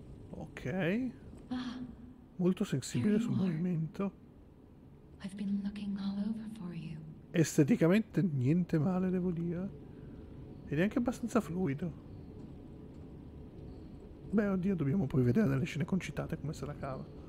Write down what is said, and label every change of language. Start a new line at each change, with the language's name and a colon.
Italian: Ok, molto sensibile sul movimento.
English: I've been looking all over for you.
Italian: Esteticamente niente male, devo dire. Ed è anche abbastanza fluido. Beh, oddio, dobbiamo poi vedere nelle scene concitate come se la cava.